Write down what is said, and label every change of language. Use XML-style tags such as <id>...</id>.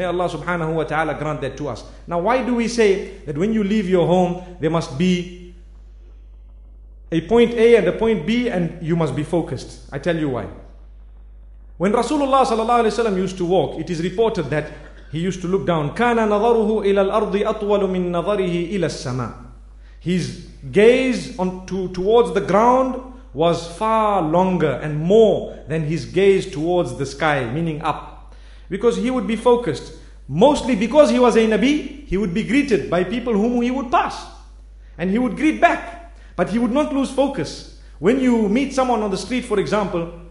<en>May Allah subhanahu wa ta'ala grant that to us. Now, why do we say that when you leave your home, there must be a point A and a point B, and you must be focused? I tell you why. When Rasulullah sallallahu alaihi wasallam used to walk, it is reported that he used to look down.</en> <ar>كان نظره إلى الأرض أطول من نظره إلى السماء.</ar> <en>His gaze towards the ground was far longer and more than his gaze towards the sky, meaning up, because he would be focused. Mostly because he was a Nabi, he would be greeted by people whom he would pass, and he would greet back. But he would not lose focus. When you meet someone on the street, for example,</en>